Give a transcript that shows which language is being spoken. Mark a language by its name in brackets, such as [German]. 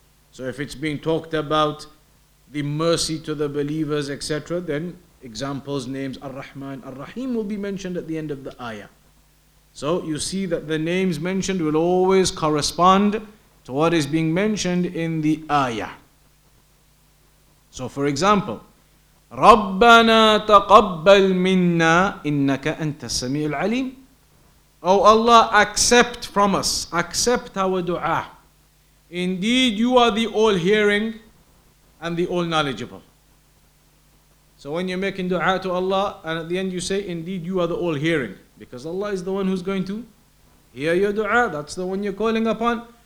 [English] So if it's being talked about the mercy to the believers, etc., then examples, names, Ar-Rahman, Ar-Rahim will be mentioned at the end of the ayah. So you see that the names mentioned will always correspond to what is being mentioned in the ayah. So for example, [Arabic] ربنا تقبل منا إنك أنت السميع العليم. [English] Oh Allah, accept from us, accept our dua. Indeed, you are the all-hearing and the all-knowledgeable. So when you're making dua to Allah, and at the end you say, indeed, you are the all-hearing. Because Allah is the one who's going to hear your dua. That's the one you're calling upon.